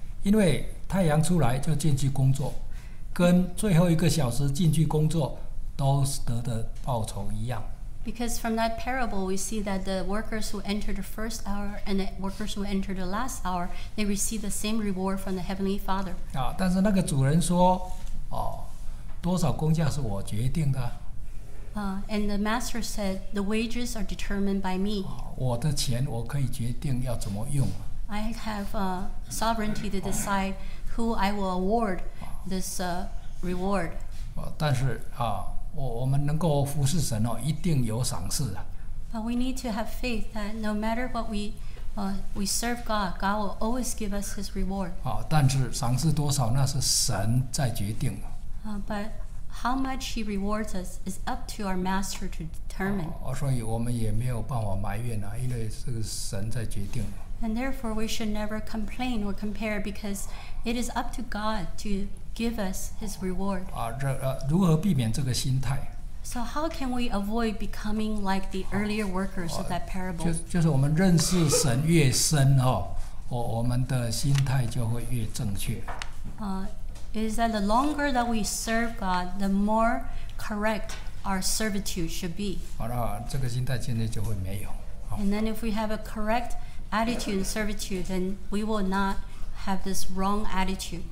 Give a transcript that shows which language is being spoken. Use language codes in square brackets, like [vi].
[zh] 因为太阳出来就进去工作，跟最后一个小时进去工作都得的报酬一样。 [en] Because from that parable, we see that the workers who enter the first hour and the workers who enter the last hour, they receive the same reward from the Heavenly Father. [zh] 但是那个主人说，多少工价是我决定的。 [en] And the master said, the wages are determined by me. [zh] 我的钱我可以决定要怎么用。 [en] I have sovereignty to decide who I will award this reward. [zh] 但是我们能够服侍神哦，一定有赏赐的。 [en] But we need to have faith that no matter what we We serve God. God will always give us His reward. [zh] 啊，但是赏赐多少，那是神在决定。 [en] But how much He rewards us is up to our master to determine. [zh] 啊，所以我们也没有办法埋怨啊，因为是神在决定。 [en] And therefore, we should never complain or compare because it is up to God to give us His reward. [zh] 啊，这如何避免这个心态？ [en] So how can we avoid becoming like the earlier workers of that parable? [zh] 就是我们认识神越深哦，我们的心态就会越正确。 [en] Is that the longer that we serve God, the more correct our servitude should be? [zh] 好了，这个心态现在就会没有。 [en] And then if we have a correct attitude and servitude, then we will not have this wrong attitude.